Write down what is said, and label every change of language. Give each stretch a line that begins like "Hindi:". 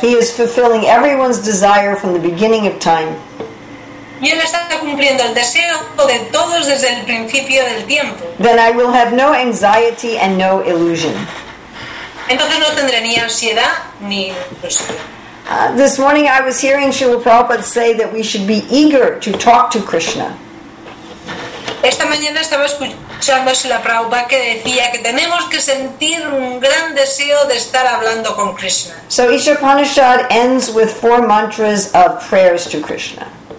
English: He is fulfilling everyone's desire from the beginning of time.
Spanish: Y él está cumpliendo el deseo de todos desde el principio del tiempo.
English: Then I will have no anxiety and no illusion.
Spanish: Entonces no tendré ni ansiedad ni ilusión.
English: This morning I was hearing Srila Prabhupada say that we should be eager to talk to Krishna.
Spanish: Esta mañana estaba escuchando a Srila Prabhupada que decía que tenemos que sentir un gran deseo de estar hablando con Krishna.
English: So Isha Upanishad ends with 4 mantras of prayers to Krishna.